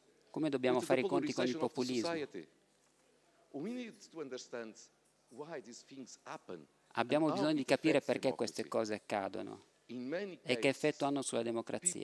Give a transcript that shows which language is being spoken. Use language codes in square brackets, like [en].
[it] come dobbiamo fare i conti con il populismo? [en] We need to understand why these things happen. [it] Abbiamo bisogno di capire perché queste cose accadono e che effetto hanno sulla democrazia.